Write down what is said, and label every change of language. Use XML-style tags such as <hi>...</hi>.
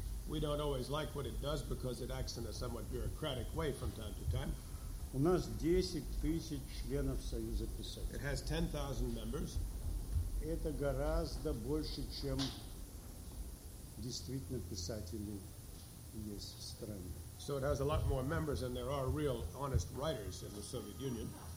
<en>We don't always like what it does because it acts in a somewhat bureaucratic way from time to time.</en> <ru>У нас 10,000 членов Союза писателей.</ru> <en>It has 10,000 members.</en> <ru>Это гораздо больше, чем действительно писателей есть в стране.</ru> <en>So it has a lot more members than there are real, honest writers in the Soviet Union.</en>